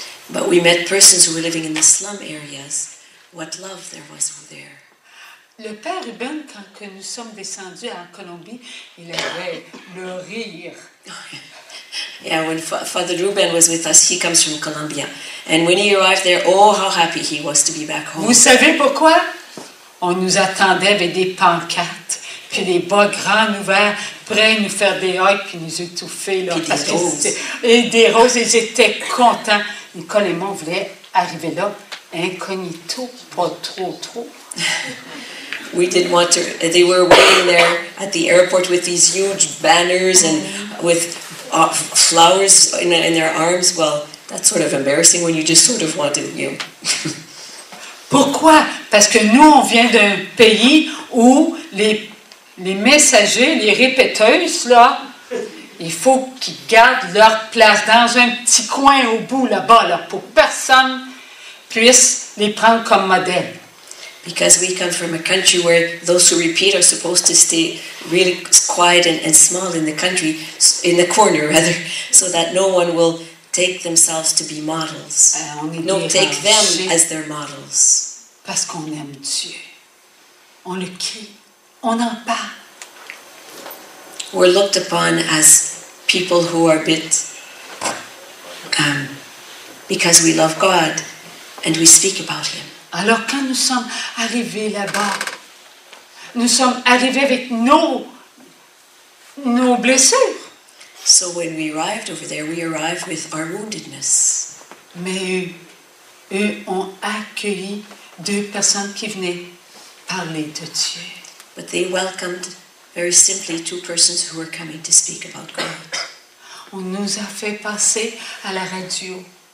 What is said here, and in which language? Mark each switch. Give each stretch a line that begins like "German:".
English: But we met persons who were living in the slum areas. What love there was there.
French: Le père Ruben, quand nous sommes descendus en Colombie, il avait le rire.
English: Yeah, when Father Ruben was with us, he comes from Colombia. And when he arrived there, oh, how happy he was to be back home.
French: Vous savez pourquoi? On nous attendait avec des pancartes, puis des bas grands ouverts, prêts à nous faire des hugs, puis nous étouffer. Là, puis des roses. Et des roses, ils étaient contents. Nicole et moi, on voulait arriver là, incognito, pas trop.
English: We didn't want to... They were waiting there at the airport with these huge banners and with... flowers in their arms. Well, that's sort of embarrassing when you just sort of want to, you know.
French: Pourquoi? Parce que nous, on vient d'un pays où les messagers, les répéteuses, là, il faut qu'ils gardent leur place dans un petit coin au bout là-bas, là, pour personne puisse les prendre comme modèle.
English: Because we come from a country where those who repeat are supposed to stay really quiet and small in the country, in the corner rather, so that no one will take themselves to be models. No, take them as their models.
French: Parce qu'on aime Dieu. On le crie. On en parle.
English: We're looked upon as people who are a bit... because we love God and we speak about Him.
French: Alors, quand nous sommes arrivés là-bas, nous sommes arrivés avec nos blessures.
English: So when we arrived over there, we arrived with our woundedness.
French: Mais eux ont accueilli deux personnes qui venaient parler de Dieu.
English: But they welcomed very simply two persons who were coming to speak about God.
French: On nous a fait passer à la radio.